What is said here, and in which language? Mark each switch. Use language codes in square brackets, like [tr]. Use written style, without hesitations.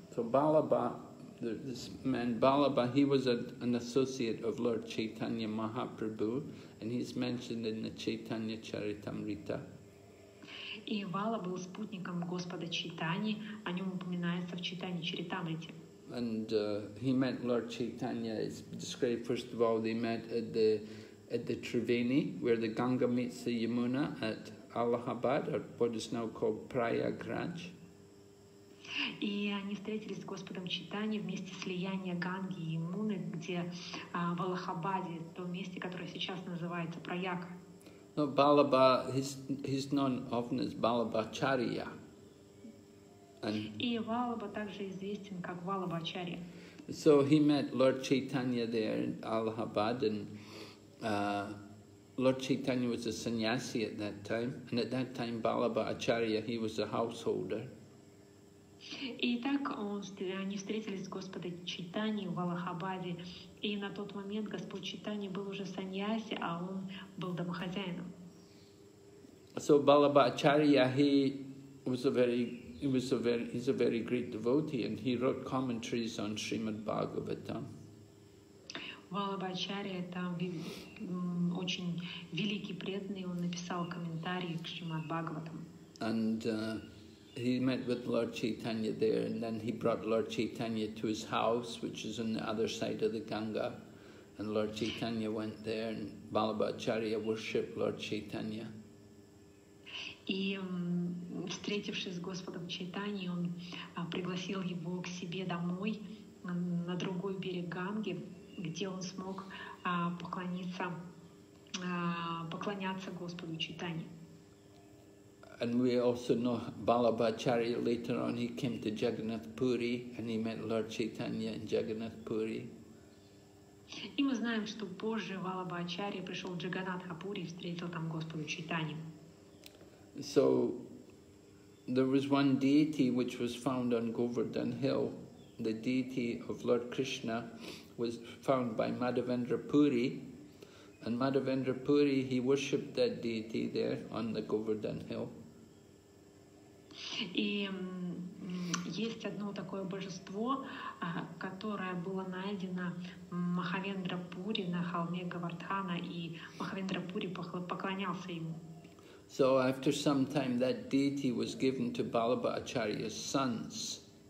[en] So Balaba, this man Balaba, he was an associate of Lord Chaitanya Mahaprabhu, and he's mentioned in the Chaitanya Charitamrita. [ru] И Вала был спутником Господа Чайтани, о нем упоминается в Чайтанья Чаритамрите. [en] And he met Lord Chaitanya, it's described first of all, they met at the Triveni, where the Ganga meets the Yamuna at Allahabad, or what is now called Prayagraj. [ru] И они встретились с Господом Чайтани вместе слияния Ганги и Ямуны, где в Аллахабаде, то месте, которое сейчас называется Праяг. [en] No, Balaba, he's known often as Balabacharya. [ru] И Валаба также известен как Валабачарья. [en] So he met Lord Chaitanya there in Allahabad, and Lord Chaitanya was a sannyasi at that time, and at that time Balaba Acharya, he was a householder. [ru] И так они встретились с Господом Чайтани в Аллахабаде, и на тот момент Господь Чайтани был уже сannyasi, а он был домохозяином. [en] So Balaba Acharya, he's a very great devotee, and he wrote commentaries on Srimad Bhagavatam. [ru] Валабачарья – это очень великий преданный, он написал комментарии к Шримад Бхагаватам. [en] And he met with Lord Chaitanya there, and then he brought Lord Chaitanya to his house, which is on the other side of the Ganga. And Lord Chaitanya went there, and Валабачарья worshipped Lord Chaitanya. [ru] И встретившись с Господом Чайтани, он пригласил его к себе домой, на другой берег Ганги, где он смог поклоняться Господу Чайтанье. [en] And we also know Balabhacharya later on, he came to Jagannath Puri and he met Lord Chaitanya in Jagannath Puri. [ru] И мы знаем, что позже Балабхачарья пришел в Джаганнатхапури и встретил там Господа Чайтанью. [en] So there was one deity which was found on Govardhan Hill. The deity of Lord Krishna was found by Madhavendra Puri. And Madhavendra Puri, he worshipped that deity there on the Govardhan Hill. [ru] И есть одно такое божество, которое было найдено Махавендра Пури на холме Говардхана, и Махавендра Пури поклонялся ему. [en] So after some time that deity was given to Balabhacharya's sons.